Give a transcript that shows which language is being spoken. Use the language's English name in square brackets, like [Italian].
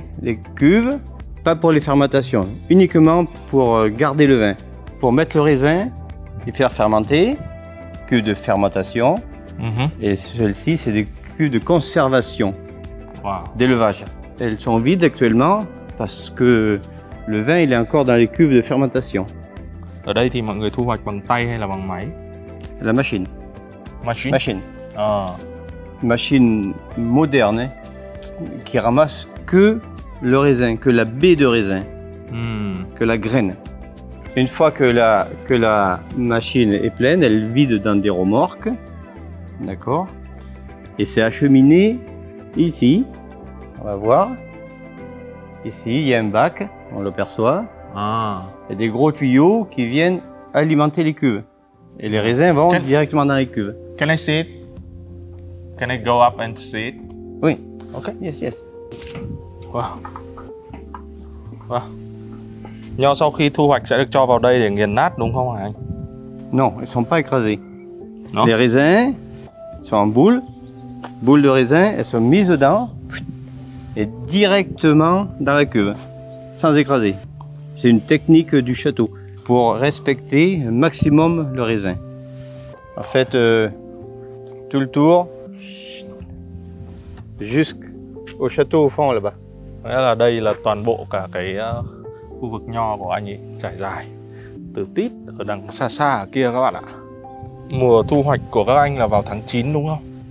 [French] Les cuves, pas pour les fermentations, uniquement pour garder le vin. Pour mettre le raisin et faire fermenter, cuve de fermentation. Mm-hmm. Et celle-ci, c'est des cuves de conservation, wow. D'élevage. Elles sont vides actuellement parce que le vin, il est encore dans les cuves de fermentation. [Vietnamese] Ở đây thì mọi người thu hoạch bằng tay hay là bằng máy? [French] La machine. Machine? Machine. Ah. Machine moderne qui ramasse que le raisin, que la baie de raisin, que la graine. Une fois que la machine est pleine, elle vide dans des remorques, d'accord, et c'est acheminé ici. On va voir. Ici, il y a un bac, on l'aperçoit. Ah. Il y a des gros tuyaux qui viennent alimenter les cuves. Et les raisins vont directement dans les cuves. [English] Can I see it? Can I go up and see it? [French] Oui. [English] Okay. Yes, yes. Wow. Wow. [Vietnamese] Nho sau khi thu hoạch sẽ được cho vào đây để nghiền nát đúng không hả anh? [French] Non, ils sont pas écrasés. Non. Les raisins sont en boule de raisin, elles sont mises dedans et directement dans la cuve sans écraser. C'est une technique du château pour respecter un maximum le raisin. En fait, tout le tour jusqu'au château au fond là-bas. [Vietnamese] Nghĩa là đây là toàn bộ cả cái khu vực nho của anh ấy trải dài từ tít ở đằng xa xa ở kia các bạn ạ. Mùa thu hoạch của các anh là vào tháng 9 đúng không?